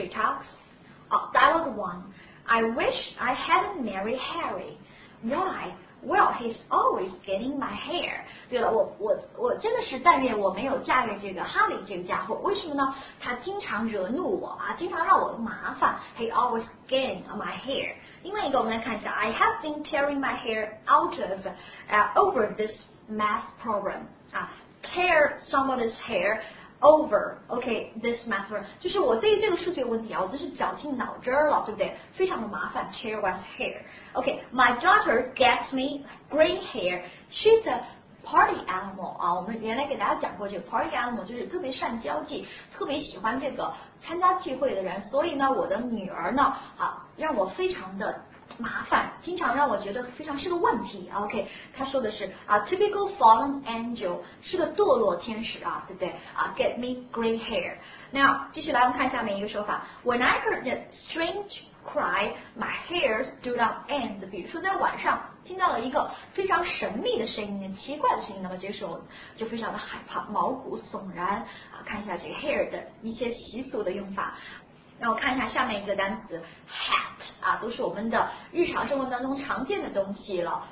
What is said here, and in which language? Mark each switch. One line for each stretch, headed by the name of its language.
English: Straight talks， 好 ，Dialogue one， I wish I hadn't married Harry。Why? Well, he's always getting my hair.
Chinese: 对了，我真的是但愿我没有嫁给这个哈利这个家伙。为什么呢？他经常惹怒我啊，经常让我麻烦。
English: He always getting my hair. 另外一个，我们来看一下，I have been tearing my hair out of over this math problem. 啊 ，tear somebody's hair over.
Chinese: OK, this math problem 就是我对于这个数学问题啊，我真是绞尽脑汁了，对不对？
English: 非常的麻烦，tear one's hair. OK, my daughter gets me gray hair.
Chinese: She's a party animal. 啊，我们原来给大家讲过，这个 party animal 就是特别善交际，特别喜欢这个参加聚会的人。所以呢，我的女儿呢，啊，让我非常的麻烦，经常让我觉得非常是个问题。 OK, 她说的是啊 ， typical fallen angel 是个堕落天使啊，对不对？
English: 啊 ，get me gray hair.
Chinese: Now, 继续来我们看下面一个说法。
English: When I heard that strange cry, my hair stood on end.
Chinese: 比如说在晚上听到了一个非常神秘的声音，奇怪的声音，那么这时候就非常的害怕，毛骨悚然啊。看一下这个 hair 的一些习俗的用法。那我看一下下面一个单词 hat 啊，都是我们的日常生活当中常见的东西了。